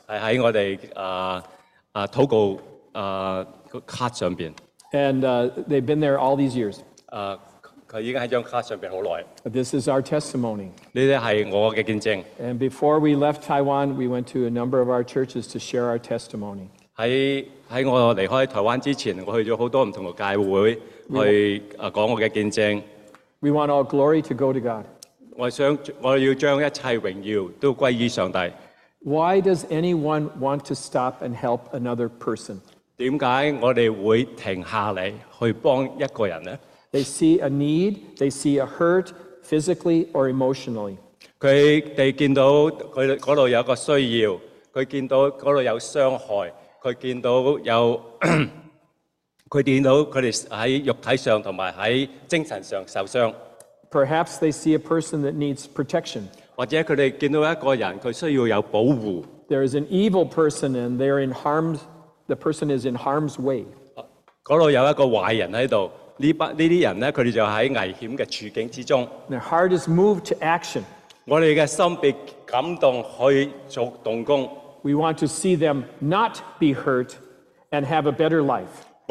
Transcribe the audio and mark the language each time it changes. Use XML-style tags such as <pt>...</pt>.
<zh>是在我们祷告卡上面,</zh> <en>and they've been there all these years.</en> <zh>他已经在卡上面很久,</zh> <en>this is our testimony.</en> <zh>这是我的见证.</zh> <en>And before we left Taiwan, we went to a number of our churches to share our testimony.</en> <zh>在我离开台湾之前, 我去了很多不同的教会, 去讲我的见证.</zh> <en>We want all glory to go to God.</en> <zh>我想,</zh> <en>Why does anyone want to stop and help another person?</en> <zh>为什么我们会停下来去帮一个人呢?</zh> <en>They see a need, they see a hurt, physically or emotionally.</en> <zh>他们看到那里有个需要, 他们看到那里有伤害, 他们看到有, 他们看到他们在肉体上和在精神上受伤。</zh> <en>Perhaps they see a person that needs protection.</en> <zh>或者他们看到一个人, 他需要有保护。</zh> <en>There is an evil person and they're in harm's, the person is in harm's way.</en> <zh>那里有一个坏人在这里, 这些人呢, 他们就在危险的处境之中。</zh> <en>Their heart is moved to action.</en> <zh>我们的心被感动去做动工。</zh> <en>We want to see them not be hurt and have a better life.</en>